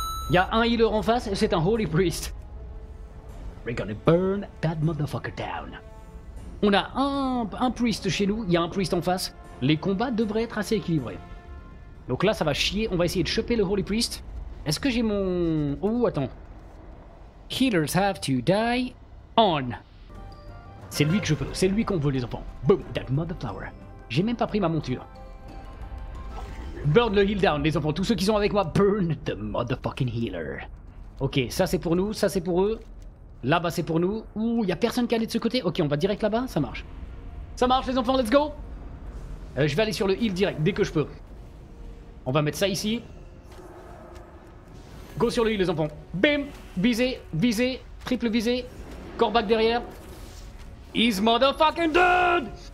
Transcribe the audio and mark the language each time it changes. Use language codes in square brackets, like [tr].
[fr] Y'a un healer en face, c'est un holy priest. [en] We're gonna burn that motherfucker down. [fr] On a un priest chez nous, y'a un priest en face. Les combats devraient être assez équilibrés. Donc là, ça va chier, on va essayer de choper le holy priest. Est-ce que j'ai mon... Oh, attends. [en] Healers have to die on. [fr] C'est lui que je veux, c'est lui qu'on veut les enfants. [en] Boom, that motherflower. [fr] J'ai même pas pris ma monture. [en] Burn the heal down, [fr] les enfants, tous ceux qui sont avec moi, [en] burn the motherfucking healer. [fr] Ok, ça c'est pour nous, ça c'est pour eux. Là-bas c'est pour nous. Ouh, y'a personne qui est allé de ce côté. Ok, on va direct là-bas, ça marche. Ça marche les enfants, [en] let's go. [fr] Je vais aller sur le heal direct, dès que je peux. On va mettre ça ici. Go sur le heal les enfants. Bim, viser, viser, triple viser. Core back derrière. [en] He's motherfucking dead.